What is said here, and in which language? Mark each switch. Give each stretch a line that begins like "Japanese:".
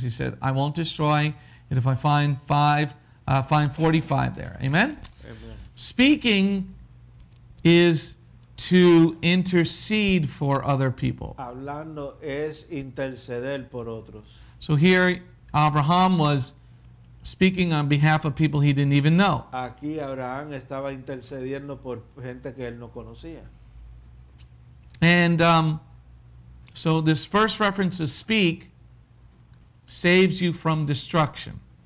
English: He said, I won't destroy it if I find five. Find 45 there. Amen? Speaking is to intercede for other people.
Spanish: Hablando es interceder por otros.
English: So here Abraham was speaking on behalf of people he didn't even know.
Spanish: Aquí Abraham estaba intercediendo por gente que él no conocía.
English: And so this first reference to speak saves you from destruction.